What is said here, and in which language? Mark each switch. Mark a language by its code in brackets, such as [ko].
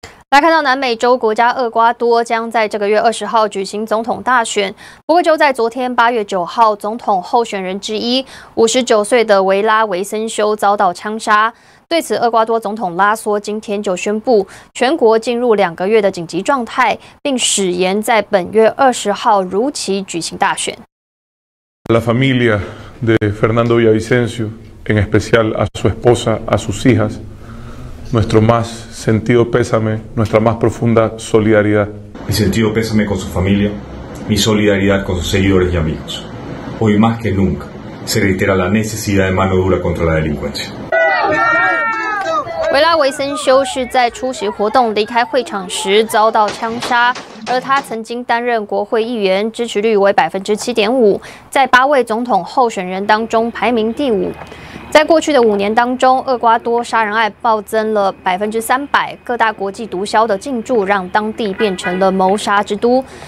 [zh] 来看到南美洲国家厄瓜多将在这个月20号举行总统大选，不过就在昨天8月9号，总统候选人之一59岁的维拉维森修遭到枪杀。对此，厄瓜多总统拉索今天就宣布全国进入两个月的紧急状态，并誓言在本月20号如期举行大选。 [es] La familia de Fernando Villavicencio, en especial a su esposa, a sus hijasNuestro más sentido pésame, nuestra más profunda solidaridad. Mi sentido pésame con su familia, mi solidaridad con sus seguidores y amigos. Hoy más que nunca se reitera la necesidad de mano dura contra la delincuencia. [zh] 维拉维森修是在出席活动离开会场时遭到枪杀，而他曾经担任国会议员，支持率为7.5%，在八位总统候选人当中排名第五。在过去的五年当中，厄瓜多杀人案暴增了300%，各大国际毒枭的进驻让当地变成了谋杀之都。